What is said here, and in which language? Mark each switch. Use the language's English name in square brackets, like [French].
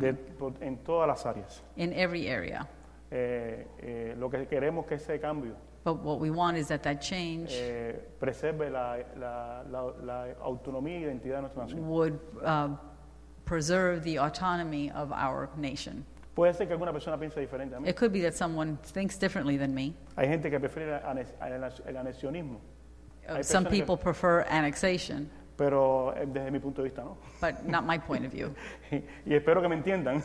[Spanish] De, por, en todas las áreas. [English] In every area. [Spanish] Lo que queremos que ese cambio, [English] but what we want is that that change [Spanish] preserve la, la autonomía y identidad de nuestra nación. [English] Would preserve the autonomy of our nation. [Spanish] Puede ser que alguna persona piense diferente a mí. [English] It could be that someone thinks differently than me. [Spanish] Hay gente que prefiere el anexionismo. [English] Some people prefer annexation. [Spanish] Pero desde mi punto de vista, no. [English] But not my point of view. [Spanish] Y espero que me entiendan.